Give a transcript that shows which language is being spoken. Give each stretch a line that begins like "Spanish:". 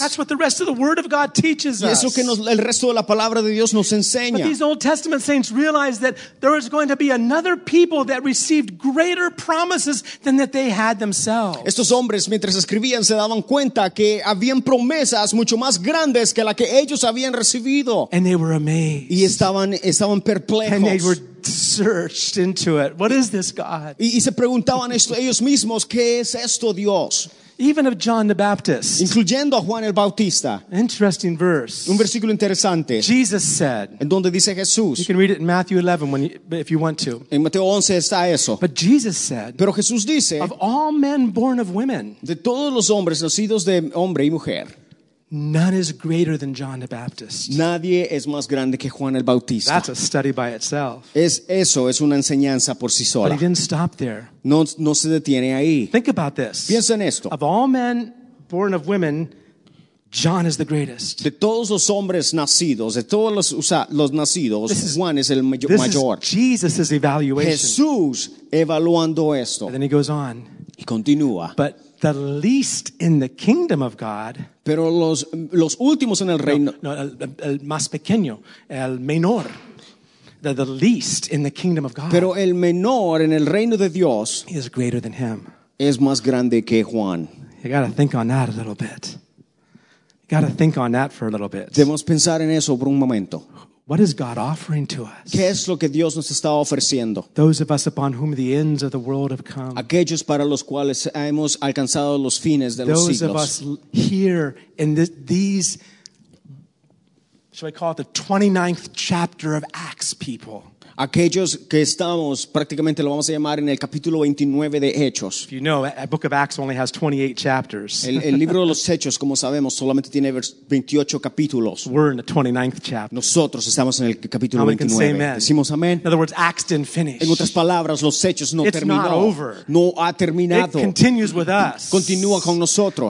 English: That's what the rest of the word of God teaches us.
Spanish: Y eso que el resto de la palabra de Dios nos enseña.
English: But these Old Testament saints realized that there was going to be another people that received greater promises than that they had themselves.
Spanish: Estos hombres, mientras escribían, se daban cuenta que habían promesas mucho más grandes que la que ellos habían recibido.
English: And they were amazed.
Spanish: Y estaban perplejos.
English: And they were searched into it. What is this God?
Spanish: Y se preguntaban ellos mismos, ¿qué es esto, Dios?
English: Even of John the Baptist.
Spanish: Incluyendo a Juan el Bautista.
English: Interesting verse.
Spanish: Un versículo interesante.
English: Jesus said.
Spanish: En donde dice Jesús.
English: You can read it in Matthew 11 if you want to.
Spanish: En Mateo 11 está eso.
English: But Jesus said.
Spanish: Pero Jesús dice.
English: Of all men born of women.
Spanish: De todos los hombres nacidos de hombre y mujer.
English: None is greater than John the Baptist.
Spanish: Nadie es más grande que Juan el Bautista.
English: That's a study by itself.
Spanish: Eso es una enseñanza por sí sola.
English: But he didn't stop there.
Spanish: No se detiene ahí.
English: Think about this.
Spanish: Piensa en esto.
English: Of all men born of women, John is the greatest.
Spanish: De todos los hombres nacidos, de todos los nacidos, Juan es el mayor.
English: This is Jesus's evaluation.
Spanish: Jesús evaluando esto.
English: And then he goes on.
Spanish: Y continúa.
English: But the least in the kingdom of God.
Spanish: Pero los últimos en el reino. No, el más pequeño, el menor.
English: The least in the kingdom of God.
Spanish: Pero el menor en el reino de Dios.
English: Is greater than him.
Spanish: Es más grande que Juan.
English: You got to think on that a little bit. You got to think on that for a little bit.
Spanish: Debemos pensar en eso por un momento.
English: What is God offering to us?
Spanish: ¿Qué es lo que Dios nos está ofreciendo?
English: Those of us upon whom the ends of the world have come.
Spanish: Aquellos para los cuales hemos alcanzado los fines de los siglos.
English: Those of us here in these, shall I call it the 29th chapter of Acts, people.
Spanish: Aquellos que estamos, prácticamente lo vamos a llamar en el capítulo 29 de Hechos.
English: If you know, the book of Acts only has 28 chapters.
Spanish: El libro de los Hechos, como sabemos, solamente tiene 28 capítulos.
English: We're in the 29th chapter.
Spanish: Nosotros estamos en el capítulo 29.
English: Can say amen.
Spanish: Decimos amén.
English: In other words, Acts didn't finish.
Spanish: En otras palabras, los Hechos no
English: It's
Spanish: terminó.
English: Not over.
Spanish: No ha terminado.
English: It continues with us.
Spanish: Continúa con nosotros.